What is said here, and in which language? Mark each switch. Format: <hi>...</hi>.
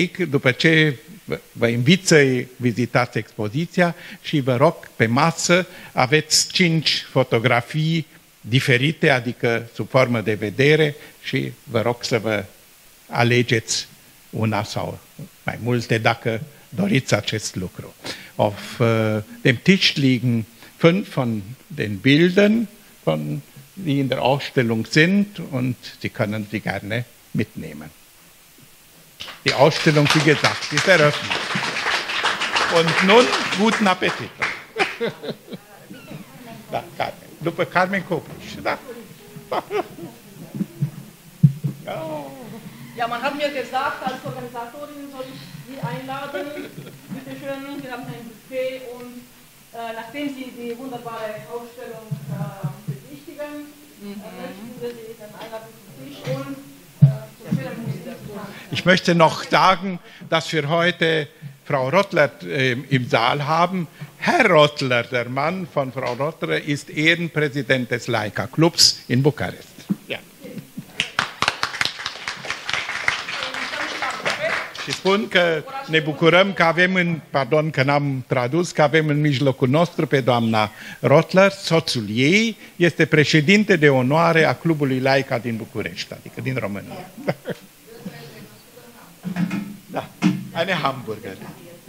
<ro>După ce vă invit să vizitați expoziția și vă rog, pe masă aveți 5 fotografii diferite, adică sub formă de vedere, și vă rog să vă alegeți una sau mai multe, dacă doriți acest lucru.</ro> <de>Auf dem Tisch liegen 5 von den Bildern, die in der Ausstellung sind, und Sie können sie gerne mitnehmen. Die Ausstellung, wie gesagt, ist eröffnet. Und nun, guten Appetit.</de> <ro>Da, Carmen. După Carmen Copriș. Da.</ro> <de>Ja, man hat mir gesagt, als Organisatorin soll ich Sie einladen. Bitte schön, Sie haben ein Buffet. Und nachdem Sie die wunderbare Ausstellung besichtigen, möchte ich Sie dann einladen zum Tisch und ich möchte noch sagen, dass wir heute Frau Rottler im Saal haben. Herr Rottler, der Mann von Frau Rottler, ist Ehrenpräsident des Laika Clubs in Bukarest.</de> <ro>Și spun că ne bucurăm că avem că avem în mijlocul nostru pe doamna Rottler, soțul ei este președinte de onoare a Clubului Laica din București, adică din România. Da,</ro> <de>eine Hamburgerin.</de>